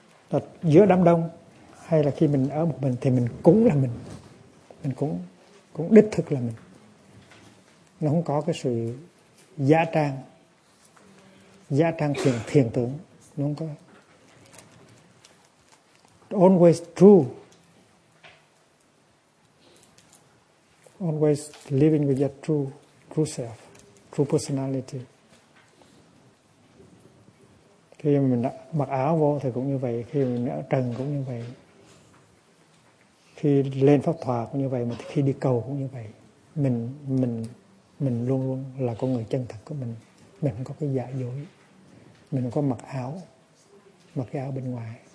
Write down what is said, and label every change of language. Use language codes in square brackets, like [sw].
[vi] Là giữa đám đông hay là khi mình ở một mình thì mình cũng là mình. Mình cũng đích thực là mình. Nó không có cái sự giả trang thiền tưởng. Nó không có. [en] Always true, always living with your true self, true personality. [vi] Khi mình mặc áo vô thì cũng như vậy, khi mình ở trần cũng như vậy. Khi lên pháp thoại cũng như vậy, mà khi đi cầu cũng như vậy. Mình luôn luôn là con người chân thật của mình. Mình không có cái giả dối. Mình không có mặc cái áo bên ngoài.